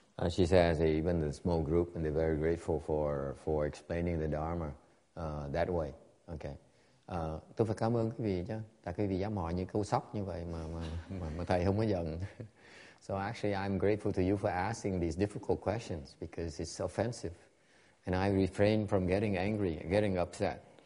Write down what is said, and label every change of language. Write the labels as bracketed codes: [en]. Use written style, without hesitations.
[en] She says, even the small group, and they're very grateful for explaining the Dharma that way. Okay. [vi] Tôi phải cảm ơn quý vị chứ, tại quý vị dám hỏi những câu sóc như vậy mà thầy không có giận. [en] So actually, I'm grateful to you for asking these difficult questions because it's offensive. And I refrain from getting angry, getting upset.